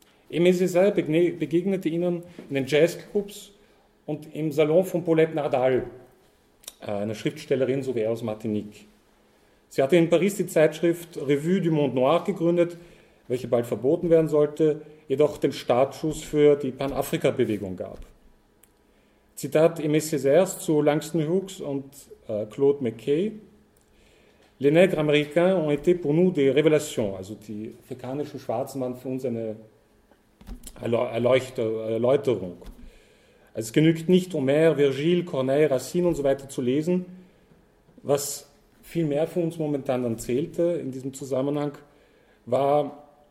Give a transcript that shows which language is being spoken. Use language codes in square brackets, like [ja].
[de] Aimé Césaire begegnete ihnen in den Jazzclubs und im Salon von Paulette Nadal, einer Schriftstellerin, so wie er aus Martinique. Sie hatte in Paris die Zeitschrift Revue du Monde Noir gegründet, welche bald verboten werden sollte, jedoch den Startschuss für die Pan-Afrika-Bewegung gab. Zitat Aimé Césaire zu Langston Hughes und Claude McKay: [fr] Les Nègres Américains ont été pour nous des révélations. [de] Also die afrikanischen Schwarzen waren für uns eine Erläuterung. Also es genügt nicht, Homer, Virgil, Corneille, Racine und so weiter zu lesen. Was viel mehr für uns momentan dann zählte in diesem Zusammenhang, war